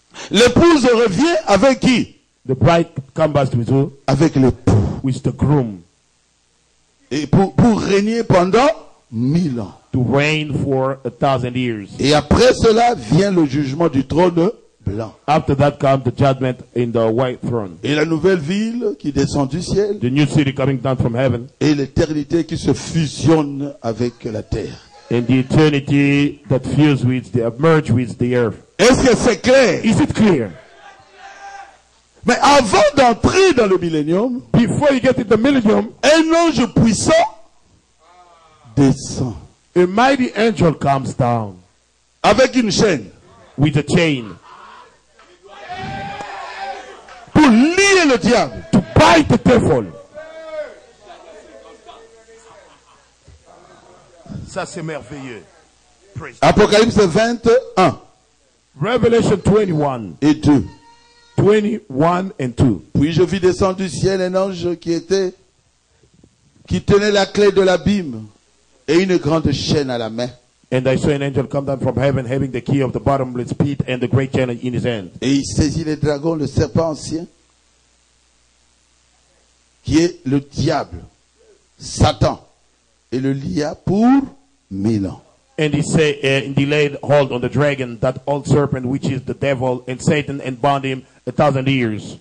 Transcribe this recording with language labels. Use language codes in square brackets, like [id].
[fr] L'épouse revient avec qui? [en] The bride comes back with who? [fr] Avec l'époux. [en] With the groom. [fr] Et pour régner pendant 1000 ans. [en] To reign for 1,000 years. [fr] Et après cela vient le jugement du trône blanc. [en] After that comes the judgment in the white throne. [fr] Et la nouvelle ville qui descend du ciel. [en] The new city coming down from heaven. [fr] Et l'éternité qui se fusionne avec la terre. [en] And the eternity that fuses with the merge with the earth. [fr] Est-ce que c'est clair? [en] Is it clear? [fr] Mais avant d'entrer dans le millénium, [en] before you get into the millennium, [fr] un ange puissant descend. [en] A mighty angel comes down [fr] avec une chaîne, [en] with a chain, [fr] pour lier le diable, [en] to bite the devil. [fr] Ça c'est merveilleux. Apocalypse 21. [en] Revelation 21 [fr] et 2. [en] 21 and 2. [fr] Puis je vis descendre du ciel un ange qui tenait la clé de l'abîme. Et une grande chaîne à la main. [en] And I saw an angel come down from heaven having the key of the bottomless pit and the great chain in his hand. [fr] Et il saisit le dragon, le serpent ancien, qui est le diable, Satan, et le lia pour 1000 ans. [en] And he said, and he laid hold on the dragon, that old serpent which is the devil and Satan, and bound him 1,000 years.